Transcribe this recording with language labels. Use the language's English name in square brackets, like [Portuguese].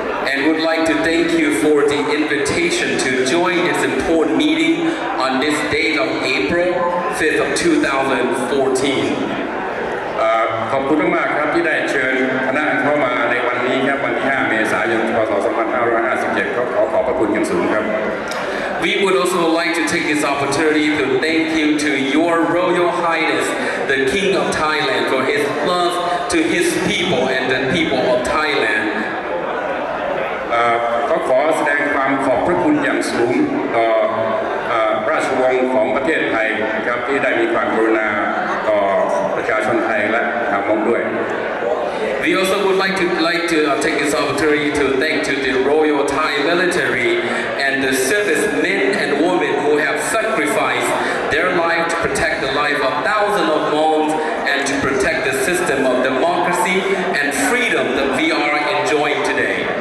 [English] And would like to thank you for the invitation to join this important meeting on this date of April 5th of 2014. [Thai] ขอบคุณมากครับที่ได้เชิญคณะเข้ามาในวันนี้ครับวันที่5เมษายนพ.ศ. 2557ก็ขอขอบพระคุณอย่างสูงครับ [English] We would also like to take this opportunity to thank you to your Royal Highness the King of Thailand for his love to his people and the people of Thailand. [Thai] ก็ขอแสดงความขอบพระคุณอย่างสูงต่อราชวงศ์ของประเทศไทยครับที่ได้มีความกรุณาต่อประชาชนไทยและชาวมงด้วย [English] We also would like to take this opportunity to thank to the Royal Thai Military and the service men and women who have sacrificed their life to protect the life of thousands of Hmongs and to protect the system of democracy and freedom that we are enjoying today.